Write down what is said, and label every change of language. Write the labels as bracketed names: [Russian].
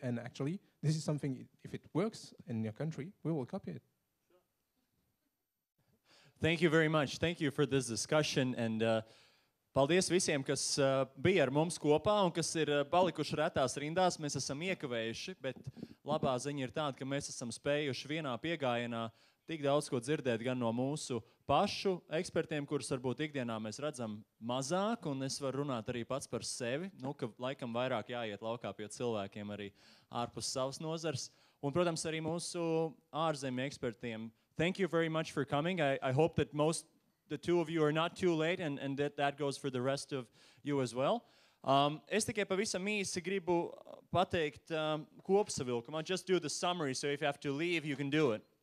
[English] And actually, this is something, if it works in your country, we will copy it. Thank you very much. Thank you for this discussion. [Latvian] And paldies visiem, kas bija ar mums kopā un kas ir palikuši retās rindās. Mēs esam iekavējuši, bet labā ziņa ir tāda, ka mēs esam spējuši vienā piegājienā tik daudz ko dzirdēt gan no mūsu pašu ekspertiem, kurus varbūt ikdienā mēs redzam mazāk, un es varu runāt arī pats par sevi, nu, ka laikam vairāk jāiet laukā pie cilvēkiem arī ārpus savas nozars, un, protams, arī mūsu ārzemju ekspertiem. [English] Thank you very much for coming. I hope that most, the two of you are not too late, and that goes for the rest of you as well. [Latvian] Es tikai pavisam īsi gribu pateikt kopsavilkumā. [English] Just do the summary, so if you have to leave, you can do it.